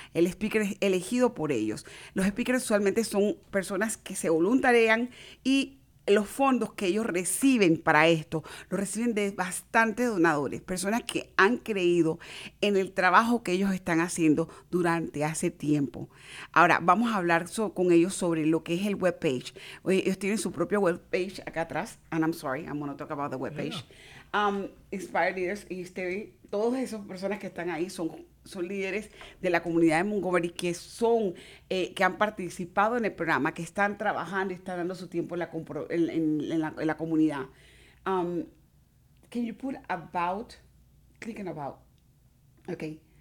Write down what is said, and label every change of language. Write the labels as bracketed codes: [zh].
[es] El speaker es elegido por ellos. Los speakers usualmente son personas que se voluntarian y los fondos que ellos reciben para esto, los reciben de bastantes donadores, personas que han creído en el trabajo que ellos están haciendo durante hace tiempo. Ahora, vamos a hablar con ellos sobre lo que es el webpage. Ellos tienen su propio webpage acá atrás. [en] And I'm sorry, I'm going to talk about the webpage. Yeah. [es] Inspire Leaders, y usted ve, todas esas personas que están ahí son líderes de la comunidad de Montgomery que han participado en el programa, que están trabajando y están dando su tiempo en la comunidad. [en] Can you put about, click on about? Okay.